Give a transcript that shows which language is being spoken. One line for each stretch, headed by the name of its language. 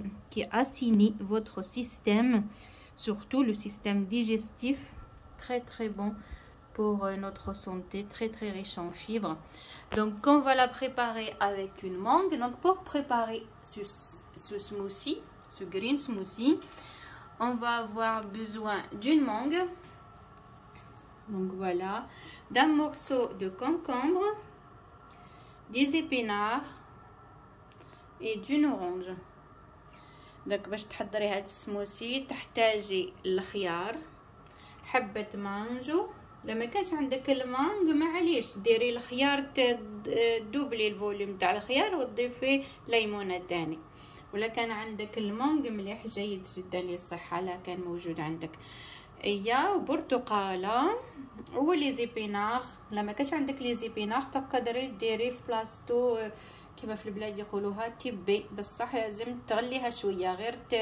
French: اسيني فوتر سيستم سورتو لو سيستم ديجستيف تري تري بون pour notre santé, très très riche en fibres. Donc on va la préparer avec une mangue. Donc pour préparer ce smoothie, ce green smoothie, on va avoir besoin d'une mangue. Donc voilà, d'un morceau de concombre, des épinards et d'une orange. Donc pour préparer ce smoothie, tu as besoin de
Arabic: خيار, حبة مانجو. لما كانش عندك المانغ معليش ديري الخيار تدوبلي الفوليوم تاع الخيار وتضيفي ليمونه تاني ولا كان عندك المانغ مليح جيد جدا للصحه لا كان موجود عندك ايا وبرتقاله ولي زيبيناغ لما كانش عندك لي زيبيناغ تقدري ديري في بلاستو كما في البلاد يقولوها تبي بصح لازم تغليها شويه غير